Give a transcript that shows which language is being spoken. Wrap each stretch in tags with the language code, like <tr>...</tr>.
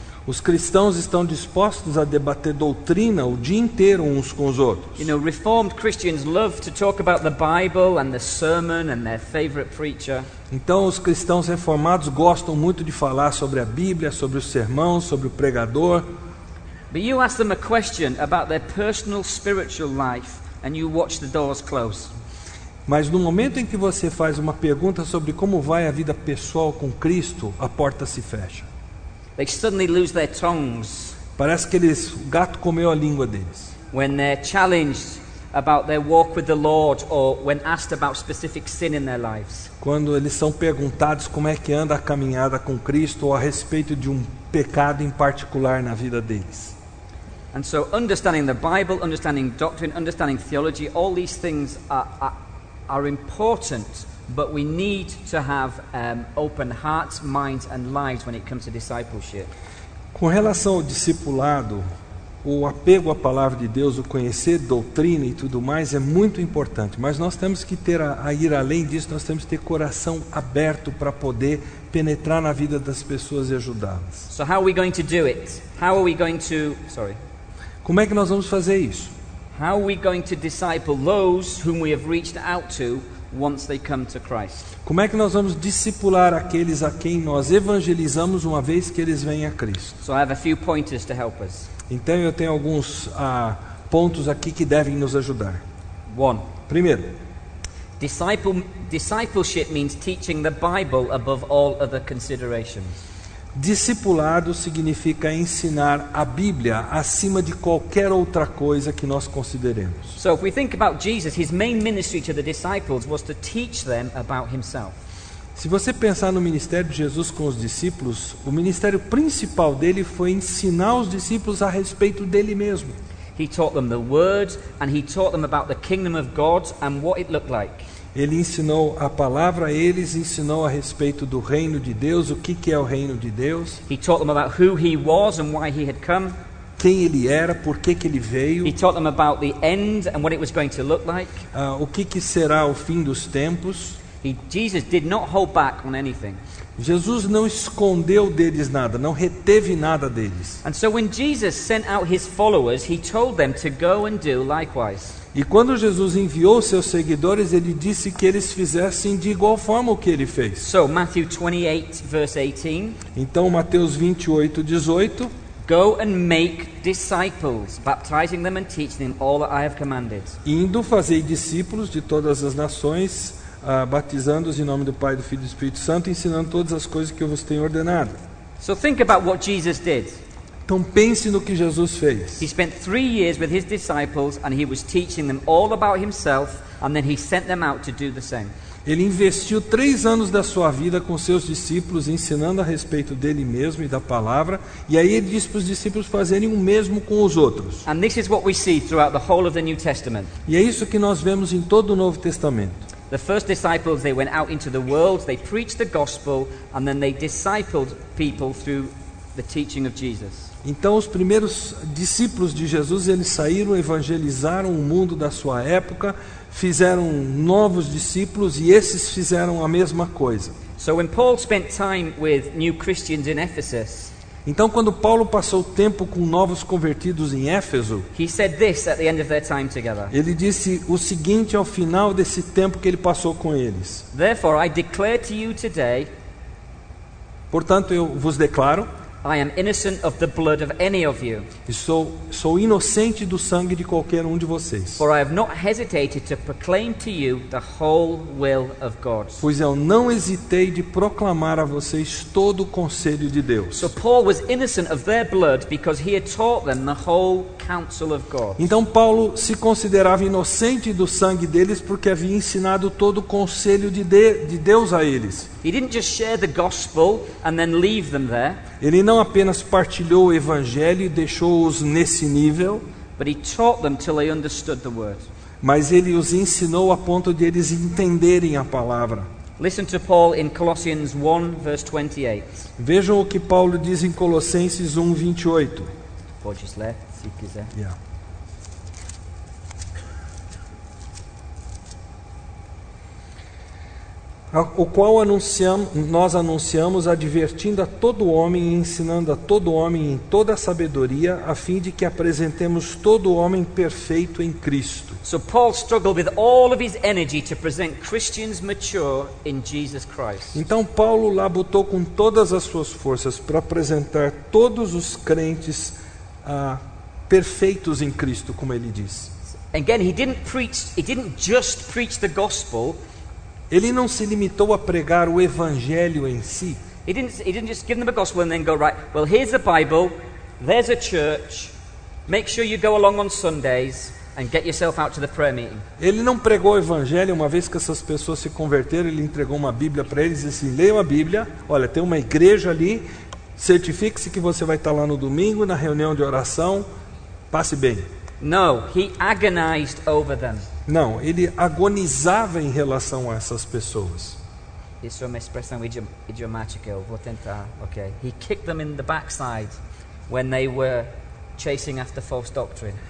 <pt>Os cristãos estão dispostos a debater doutrina o dia inteiro uns com os outros.</pt> <en>You know, reformed Christians love to talk about the Bible and the sermon and their favorite preacher.</en> <pt>Então os cristãos reformados gostam muito de falar sobre a Bíblia, sobre o sermão, sobre o pregador.</pt> <en>But you ask them a question about their personal spiritual life and you watch the doors close.</en> <pt>Mas no momento em que você faz uma pergunta sobre como vai a vida pessoal com Cristo, a porta se fecha.</pt> <en>They suddenly lose their tongues.</en> <pt>Parece que eles, o gato comeu a língua deles.</pt> <en>When they're challenged about their walk with the Lord or when asked about specific sin in their lives.</en> <pt>Quando eles são perguntados como é que anda a caminhada com Cristo ou a respeito de um pecado em particular na vida deles.</pt> <en>And so understanding the Bible, understanding doctrine, understanding theology, all these things are important, but we need to have open hearts, minds and lives when it comes to discipleship.</en> <pt>Com relação ao discipulado, o apego à palavra de Deus, o conhecer doutrina e tudo mais é muito importante, mas nós temos que ter a ir além disso, nós temos que ter coração aberto para poder penetrar na vida das pessoas e ajudá-las.</pt> <en>So how are we going to do it? How are we going to, sorry.</en> <pt>Como é que nós vamos fazer isso?</pt> <en>How are we going to disciple those whom we have reached out to once they come to Christ?</en> <pt>Como é que nós vamos discipular aqueles a quem nós evangelizamos uma vez que eles vêm a Cristo?</pt> <en>So I have a few pointers to help us.</en> <pt>Então eu tenho alguns pontos aqui que devem nos ajudar.</pt> <en>One.</en> <pt>Primeiro.</pt> <en>Discipleship means teaching the Bible above all other considerations.</en> <pt>Discipulado significa ensinar a Bíblia acima de qualquer outra coisa que nós consideremos.</pt> <en>So if we think about Jesus, his main ministry to the disciples was to teach them about himself.</en> <pt>Se você pensar no ministério de Jesus com os discípulos, o ministério principal dele foi ensinar os discípulos a respeito dele mesmo.</pt> <en>He taught them the word and he taught them about the kingdom of God and what it looked like.</en> <pt>Ele ensinou a palavra a eles, ensinou a respeito do reino de Deus, o que é o reino de Deus.</pt> <en>He taught them about who he was and why he had come.</en> <pt>Quem ele era, por que ele veio.</pt> <en>He taught them about the end and what it was going to look like.</en> <pt>O que será o fim dos tempos.</pt> <en>Jesus did not hold back on anything.</en> <pt>Jesus não escondeu deles nada, não reteve nada deles.</pt> <en>And so when Jesus sent out his followers, he told them to go and do likewise.</en> <pt>E quando Jesus enviou seus seguidores, ele disse que eles fizessem de igual forma o que ele fez.</pt> <en>So, Matthew 28, verse 18.</en> <pt>Então, Mateus 28, 18.</pt> <en>Go and make disciples, baptizing them and teaching them all that I have commanded.</en> <pt>Indo fazer discípulos de todas as nações, batizando-os em nome do Pai, do Filho e do Espírito Santo, ensinando todas as coisas que eu vos tenho ordenado.</pt> <en>So, think about what Jesus did.</en> <pt>Então pense no que Jesus fez.</pt> <en>He spent 3 years with his disciples and he was teaching them all about himself and then he sent them out to do the same.</en> <pt>Ele investiu 3 anos da sua vida com seus discípulos ensinando a respeito dele mesmo e da palavra e aí ele disse para os discípulos fazerem o mesmo com os outros.</pt> <en>And this is what we see throughout the whole of the New Testament.</en> <pt>E é isso que nós vemos em todo o Novo Testamento.</pt> <en>The first disciples, they went out into the world, they preached the gospel, and then they discipled people through the teaching of Jesus.</en> <pt>Então os primeiros discípulos de Jesus, eles saíram, evangelizaram o mundo da sua época, fizeram novos discípulos e esses fizeram a mesma coisa.</pt> <en>So when Paul spent time with new Christians in Ephesus,</en> <pt>então quando Paulo passou tempo com novos convertidos em Éfeso,</pt> <en>he said this at the end of their time together.</en> <pt>Ele disse o seguinte ao final desse tempo que ele passou com eles.</pt> <en>Therefore I declare to you today,</en> <pt>portanto eu vos declaro,</pt> <en>I am innocent of the blood of any of you.</en> <pt>Sou inocente do sangue de qualquer um de vocês.</pt> <en>For I have not hesitated to proclaim to you the whole will of God.</en> <pt>Pois eu não hesitei de proclamar a vocês todo o conselho de Deus.</pt> <en>So Paul was innocent of their blood because he had taught them the whole counsel of God.</en> <pt>Então Paulo se considerava inocente do sangue deles porque havia ensinado todo o conselho de Deus a eles.</pt> <en>He didn't just share the gospel and then leave them there.</en> <pt>Ele não apenas partilhou o evangelho e deixou-os nesse nível,</pt> <en>but he taught them till they understood the word.</en> <pt>Mas ele os ensinou a ponto de eles entenderem a palavra.</pt> <en>Listen to Paul in Colossians 1, verse 28.</en> <pt>Vejam o que Paulo diz em Colossenses 1, 28. Pode ler, se quiser.</pt> <en>Yeah.</en> <pt>O qual nós anunciamos advertindo a todo homem e ensinando a todo homem em toda a sabedoria, a fim de que apresentemos todo homem perfeito em Cristo.</pt> <en>So Paul struggled with all of his energy to present Christians mature in Jesus Christ.</en> <pt>Então Paulo labutou com todas as suas forças para apresentar todos os crentes perfeitos em Cristo, como ele diz.</pt> <en>Again, he didn't just preach the gospel.</en> <pt>Ele não se limitou a pregar o evangelho em si.</pt> <en>He didn't just give them a gospel and then go, right, well, here's the Bible, there's a church, make sure you go along on Sundays and get yourself out to the prayer meeting.</en> <pt>Ele não pregou o evangelho, uma vez que essas pessoas se converteram, ele entregou uma Bíblia para eles e disse, leia uma Bíblia, olha, tem uma igreja ali, certifique-se que você vai estar lá no domingo, na reunião de oração, passe bem.</pt> <en>No, he agonized over them.</en> <pt>Não, ele agonizava em relação a essas pessoas. Isso é uma expressão idiomática, eu vou tentar, ok.</pt> <en>He kicked them in the backside when they were chasing after false doctrine.</en>